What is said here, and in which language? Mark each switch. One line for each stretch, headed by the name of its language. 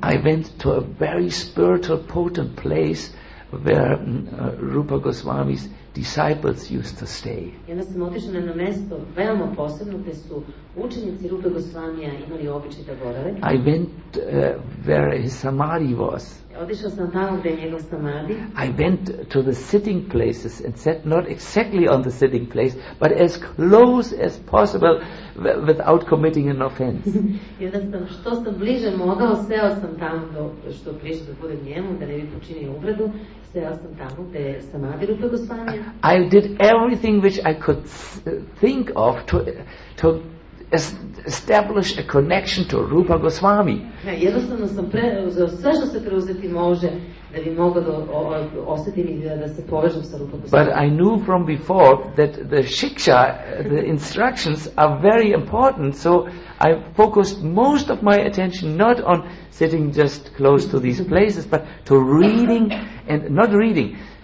English: I went to a very spiritual potent place where Rupa Goswami's disciples used to stay.
Serbian: I onda sam otišao na jedno mesto veoma posebno gde su učenici Rupe Goswamija imali običaj da borave.
English: I went where his samadhi was.
Serbian: Odišao sam tamo gde je njegov samadhi.
English: I went to the sitting places and sat not exactly on the sitting place, but as close as possible without committing an offense.
Serbian: I onda sam, što sam bliže mogao, seo sam tamo do, što bliže da budem njemu, da ne bi počinio uvredu, seo sam tamo gde je samadhi Rupa Goswamija.
English: I did everything which I could think of to establish a connection to Rupa Goswami.
Serbian: Jednostavno sam preuzeo sve što se preuzeti može da bi mogao da osetim i da se povežem sa Rupa Goswami.
English: But I knew from before that the shiksha, the instructions are very important, so I focused most of my attention not on sitting just close to these places, but to reading and not reading.